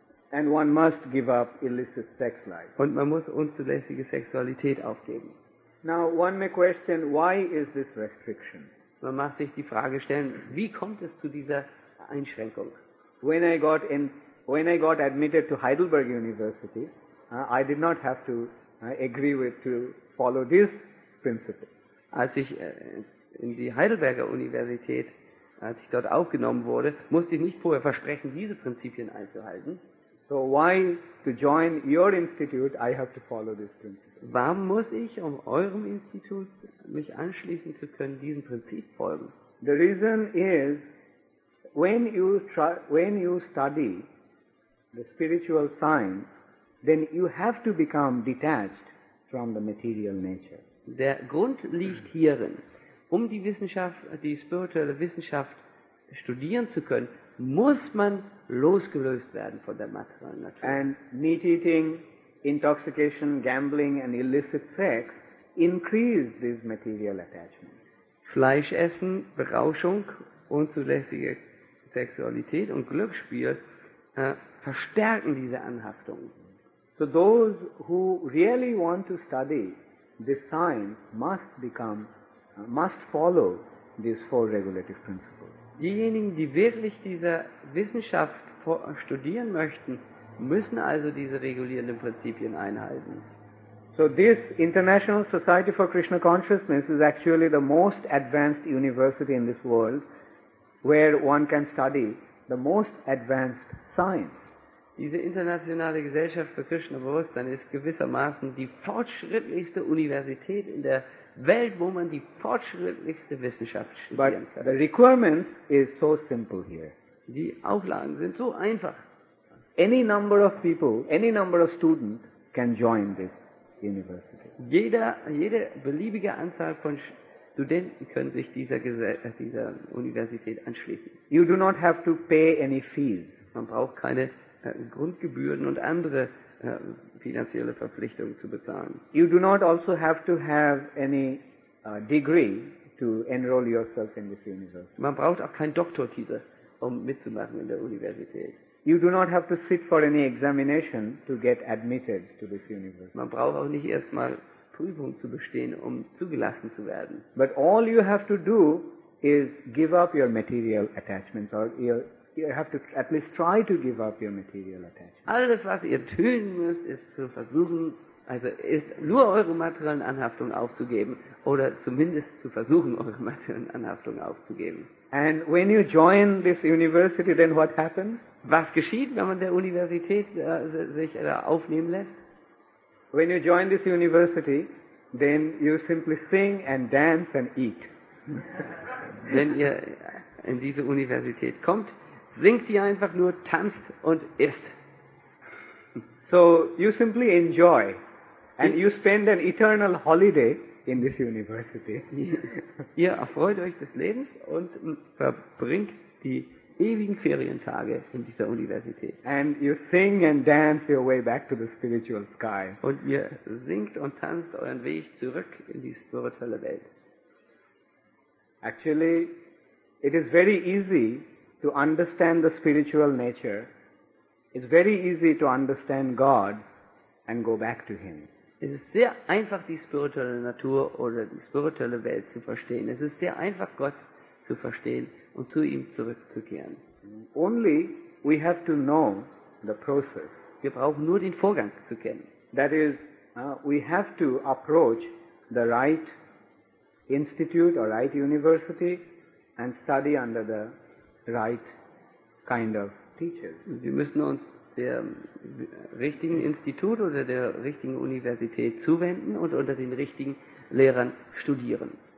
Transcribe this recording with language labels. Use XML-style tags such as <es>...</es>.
<en>And one must give up illicit sex life.</en> <de>Und man muss unzulässige Sexualität aufgeben.</de> <en>Now one may question, why is this restriction?</en> <de>Man mag sich die Frage stellen, wie kommt es zu dieser Einschränkung.</de> <en>When I got admitted to Heidelberg University, I did not have to agree with to follow this principle.</en> <de>Als ich in die Heidelberger Universität, als ich dort aufgenommen wurde, musste ich nicht vorher versprechen, diese Prinzipien einzuhalten.</de> <en>So why to join your institute, I have to follow this principle.</en> <de>Warum muss ich, um eurem Institut mich anschließen zu können, diesem Prinzip folgen?</de> <en>The reason is, when you study the spiritual science, then you have to become detached from the material nature.</en> <de>Der Grund liegt hierin. Um die Wissenschaft, die spirituelle Wissenschaft studieren zu können, muss man losgelöst werden von der materiellen Natur.</de> <en>And meat eating, intoxication, gambling and illicit sex increase this material attachment.</en> <de>Fleisch essen, Berauschung, unzulässige Sexualität und Glücksspiel verstärken diese Anhaftung.</de> <en>So those who really want to study this science must follow these four regulative principles.</en> <de>Diejenigen, die wirklich dieser Wissenschaft studieren möchten, müssen also diese regulierenden Prinzipien einhalten.</de> <en>So this International Society for Krishna Consciousness is actually the most advanced university in this world where one can study the most advanced science.</en> <de>Diese internationale Gesellschaft für Krishna-Bewusstsein ist gewissermaßen die fortschrittlichste Universität in der Welt, wo man die fortschrittlichste Wissenschaft studieren kann.</de> <en>But the requirement is so simple here.</en> <de>Die Auflagen sind so einfach.</de> <en>Any number of people, any number of students can join this university.</en> <de>Jede beliebige Anzahl von Studenten können sich dieser Universität anschließen.</de> <en>You do not have to pay any fees.</en> <de>Man braucht keine Grundgebühren und andere finanzielle Verpflichtungen zu bezahlen.</de> <en>You do not also have to have any degree to enroll yourself in this university.</en> <de>Man braucht auch keinen Doktortitel, um mitzumachen in der Universität.</de> <en>You do not have to sit for any examination to get admitted to this university.</en> <de>Man braucht auch nicht erstmal Prüfungen zu bestehen, um zugelassen zu werden.</de> <en>But all you have to do is give up your material attachments or you have to at least try to give up your material attachments.</en> <de>Alles, was ihr tun müsst, ist zu versuchen, also ist nur eure materiellen Anhaftungen aufzugeben oder zumindest zu versuchen, eure materiellen Anhaftungen aufzugeben.</de> <en>And when you join this university, then what happens?</en> <de>Was geschieht, wenn man der Universität sich aufnehmen lässt?</de> <en>When you join this university, then you simply sing and dance and eat.</en> <de>Wenn ihr in diese Universität kommt, singt ihr einfach nur, tanzt und isst.</de> <en>So you simply enjoy and you spend an eternal holiday in this university.</en> <de>Ihr erfreut euch des Lebens und verbringt die ewigen Ferientage in dieser Universität.</de> <en>And you sing and dance your way back to the spiritual sky.</en> <de>Und ihr singt und tanzt euren Weg zurück in die spirituelle Welt.</de> <en>Actually, it is very easy to understand the spiritual nature. It's very easy to understand God and go back to Him.</en> <de>Es ist sehr einfach, die spirituelle Natur oder die spirituelle Welt zu verstehen. Es ist sehr einfach, Gott zu verstehen und zu ihm zurückzukehren.</de> <en>Only we have to know the process.</en> <de>Wir brauchen nur den Vorgang zu kennen.</de> <en>That is, we have to approach the right institute or right university and study under the right kind of teachers.</en> <de>Wir müssen uns dem richtigen Institut oder der richtigen Universität zuwenden und unter den richtigen Lehrern studieren.</de>